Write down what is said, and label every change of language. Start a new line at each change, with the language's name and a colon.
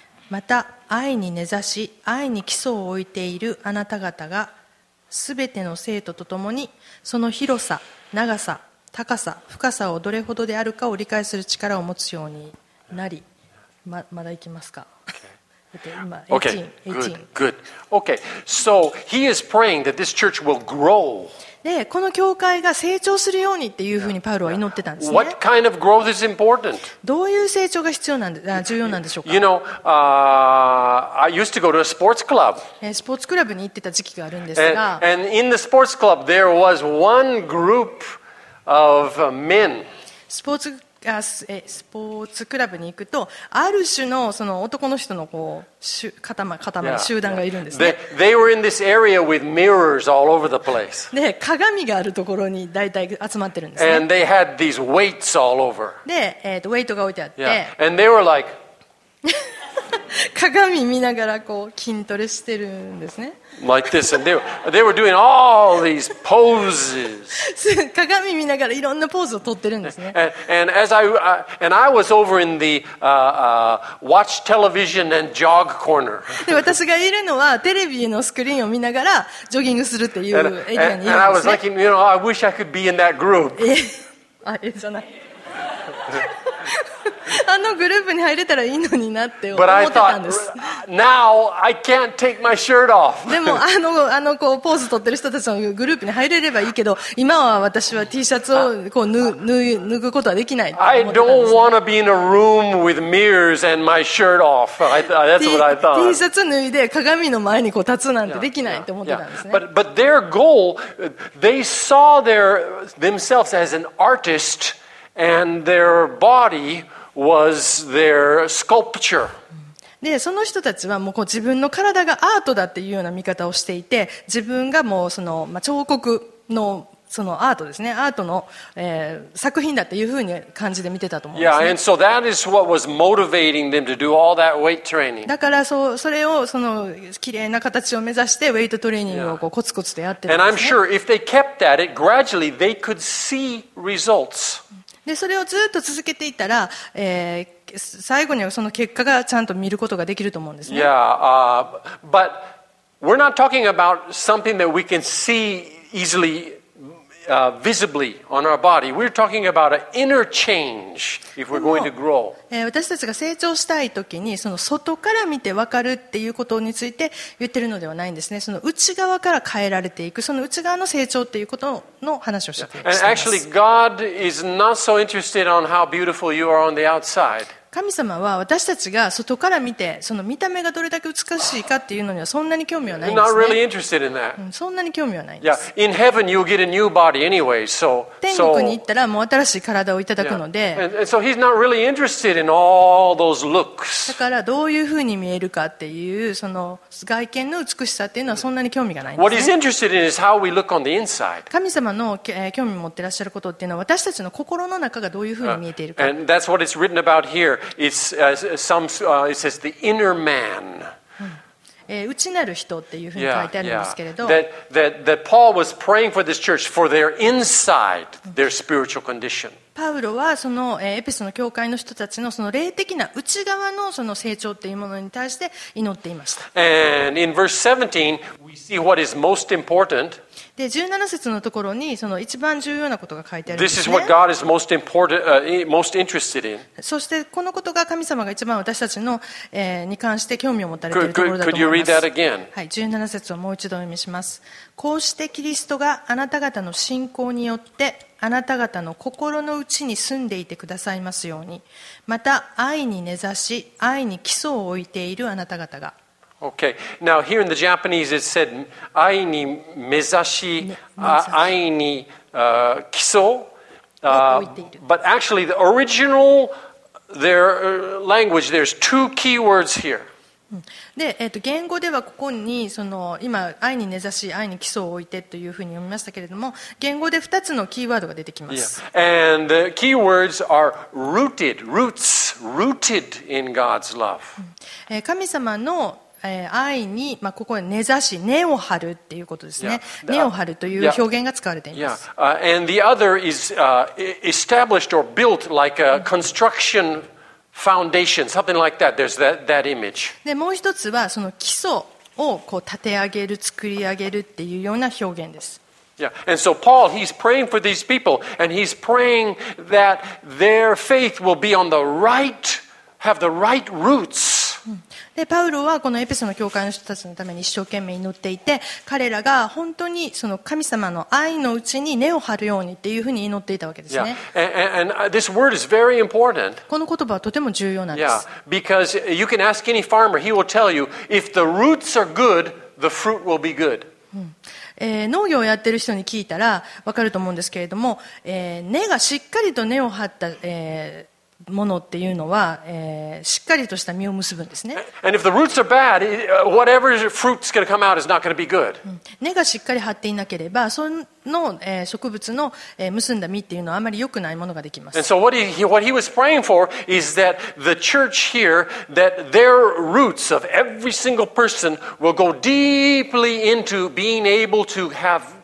Japanese: また愛に根ざし愛に基礎を置いているあなた方がすべての生徒とともにその広さ長さ高さ深さをどれほどであるかを理解する力を持つようになり、 まだいきますか。
English: Okay. Good. So he is praying that this church will grow.
Japanese: でこの教会が成長するようにっていうふうにパウロは祈ってたんですね。
English: What kind of growth is important?
Japanese: どういう成長が必要なんで、重要なんでしょうか。
English: You know, I used to go to a sports club.
Japanese: スポーツクラブに行ってた時期があるんですが、
English: and in the sports club there was one group of men.
Japanese: スポーツクラブに行くとある種 の, その男の人のこう 塊集団がいるんですね。
English: They were in this area with mirrors all over the place.
Japanese: で鏡があるところに大体集まってるんですね。
English: And they had these weights all over.
Japanese: で、ウェイトが置いてあって、
English: And they were like
Japanese: 鏡見ながらこう筋トレしてるんですね。
English: Like this, and they were doing all these poses.
Japanese: 鏡見ながらいろんなポーズを撮ってるんですね。
English: And I was over in the watch television and jog corner.
Japanese: で私がいるのはテレビのスクリーンを見ながらジョギングするっていうエリアにいるんですね。
English: And I was thinking, you know, I wish I could be in that group.
Japanese: あ、いいじゃない。あ、あのグループに入れたらいいのになって思ってたんです。
English: Now I can't take my shirt off.
Japanese: でもあのこうポーズ取ってる人たちのグループに入れればいいけど、今は私は T シャツをこう脱ぐことはできないって思ってたんです。
English: I don't want to be in a room with mirrors and my shirt off. That's what I thought.
Japanese: T シャツ脱いで鏡の前にこう立つなんてできないって思ってたんですね。
English: But their goal, they saw themselves as an artist. And their body was their sculpture.
Japanese: で、その人たちはもう自分の体がアートだっていうような見方をしていて、自分がもうその、まあ、彫刻の、そのアートですね、アートの、作品だっていうふうに感じで見てたと思うんですね。
English: Yeah, and so that is what was motivating them to do all that weight training.
Japanese: だからそれをその綺麗な形を目指してウェイトトレーニングをこうコツコツとやってたんですね。
English: And I'm sure if they kept that, it gradually they could see results.
Japanese: でそれをずっと続けていたら、最後にはその結果がちゃんと見ることができると思うんですね。
English: Yeah, but we're not talking about something that we can see easily, visibly on our body. We're talking about an inner change if we're going to grow.
Japanese: 私たちが成長したいときにその外から見て分かるっていうことについて言ってるのではないんですね。その内側から変えられていく、その内側の成長っていうことをの話をしています。
English: And actually, God is not so interested on how beautiful you are on the outside.
Japanese: 神様は私たちが外から見てその見た目がどれだけ美しいかっていうのにはそんなに興味はないんですね。
English: Not really interested in that.
Japanese: そんなに興味はないんです。
English: Yeah, in heaven you'll get a new body anyway. So
Japanese: 天国に行ったらもう新しい体をいただくので、
English: And so he's not really interested in all those looks.
Japanese: だからどういうふうに見えるかっていうその外見の美しさっていうのはそんなに興味がないんですね。
English: What he's interested in is how we look on the inside.
Japanese: 神様の興味を持ってらっしゃることっていうのは私たちの心の中がどういうふうに見えているか。
English: And that's what it's written about here. It says the inner man.
Japanese: 内なる人っていうふうに書いてあるんですけれど。
English: That Paul was praying for this church for their inside, their spiritual condition.
Japanese: パウロはそのエペソの教会の人たちのその霊的な内側のその成長っていうものに対して祈っていました。
English: And in verse 17, we see what is most important.
Japanese: で17節のところにその一番重要なことが書いてあるんですね。
English: This is what God is most important, most interested in.
Japanese: そしてこのことが神様が一番私たちの、に関して興味を持たれているところだと思います。
English: Could you read that again?
Japanese: はい、17節をもう一度読みします。こうしてキリストがあなた方の信仰によってあなた方の心の内に住んでいてくださいますように、また愛に根ざし愛に基礎を置いているあなた方が。
English: Okay. Now here in the Japanese it said
Japanese: ai ni mezashi, ai ni kiso.
English: But actually the original their language, there's two key words here.
Japanese: で、言語ではここにその今ai ni nezashi, ai ni kiso を置いてというふうに読みましたけれども、言語で2つのキーワードが出てきます。
English: Yeah. And the key words are rooted, roots, rooted in God's love.
Japanese: 神様の愛に、まあ、ここに根ざし根を張るっていうことですね。
English: yeah.
Japanese: 根を張るという表現が使われています。
English: yeah. And the other is established or built like a construction foundation, something like that. There's that image.
Japanese: でもう一つはその基礎をこう立て上げる作り上げるっていうような表現です。
English: yeah. And so Paul, he's praying for these people and he's praying that their faith will be on the right, have the right roots.
Japanese: でパウロはこのエペソの教会の人たちのために一生懸命祈っていて、彼らが本当にその神様の愛のうちに根を張るようにっていうふうに祈っていたわけですね。
English: And this word is very important.
Japanese: この言葉はとても重要なんです。
English: Yeah. Because you can ask any farmer, he will tell you, if the roots are good, the fruit will be good.
Japanese: 農業をやってる人に聞いたら分かると思うんですけれども、根がしっかりと根を張った、ものっていうのは、しっかりとした実を結ぶんですね。
English: And if the roots are bad, whatever fruit's going to come out is not going to be good.
Japanese: 根がしっかり張っていなければその、植物の、結んだ実っていうのはあまり良くないものができます。
English: And so what he was praying for is that the church here, that their roots of every single person will go deeply into being able to have